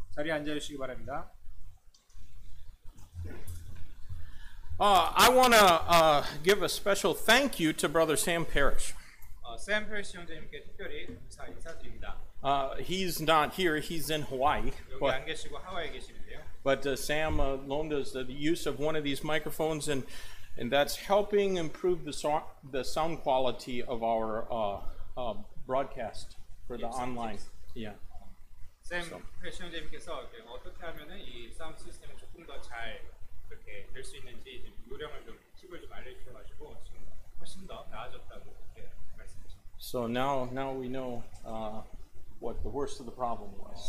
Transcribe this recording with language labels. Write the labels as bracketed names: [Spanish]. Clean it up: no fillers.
[Korean] 자리에 앉아 주시기 바랍니다. [English] I want to give a special thank you to Brother Sam Parrish. [Korean] Sam Parrish 형제님께 특별히 감사 인사드립니다. [English] He's not here. He's in Hawaii. [Korean] 여기 안 계시고 하와이에 계시는데요. [English] But Sam loaned us the use of one of these microphones and. And that's helping improve the sound quality of our broadcast for the online. Yeah. [Korean] Sam, 회장님께서 어떻게 하면은 이 사운드 시스템을 조금 더 잘 그렇게 될 수 있는지 좀 요령을 좀 팁을 좀 알려주셔가지고 지금 훨씬 더 나아졌다고 이렇게 말씀하셨죠. [English] So now we know what the worst of the problem was.